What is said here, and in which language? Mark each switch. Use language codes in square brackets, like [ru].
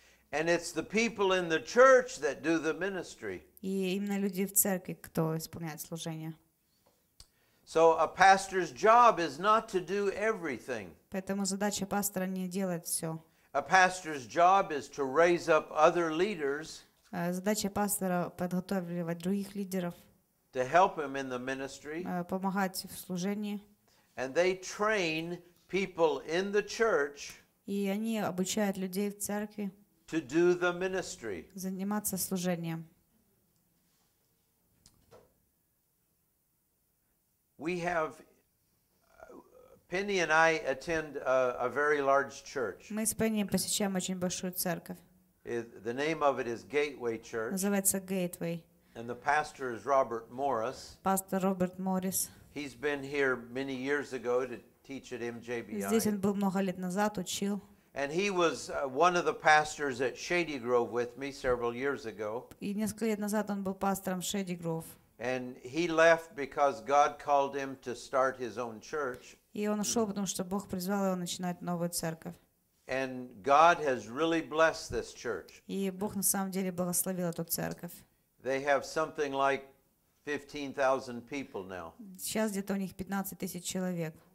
[en] And it's the people in the church that do the ministry. [ru] И именно люди в церкви, кто исполняет служение. [en] So a pastor's job is not to do everything. [ru] Поэтому задача пастора не делать все. [en] A pastor's job is to raise up other leaders. [ru] Задача пастора подготавливать других лидеров. [en] To help him in the ministry. [ru] Помогать в служении. [en] And they train people in the church. [ru] И они обучают людей в церкви. [en] To do the ministry. [ru] Заниматься служением. [en] We have Penny and I attend a very large church. [ru] Мы с Пенни посещаем очень большую церковь. [en] The name of it is Gateway Church. [ru] Называется Gateway. [en] And the pastor is Robert Morris. [ru] Пастор Роберт Моррис. [en] He's been here many years ago to teach at MJBI. [ru] Здесь он был много лет назад, учил. [en] And he was one of the pastors at Shady Grove with me several years ago. [ru] И несколько лет назад он был пастором Shady Grove. [en] And he left because God called him to start his own church. [ru] И он ушел, потому что Бог призвал его начинать новую церковь. [en] And God has really blessed this church. [ru] И Бог на самом деле благословил эту церковь. [en] They have something like 15,000 people now. [ru] Сейчас где-то у них 15,000 человек.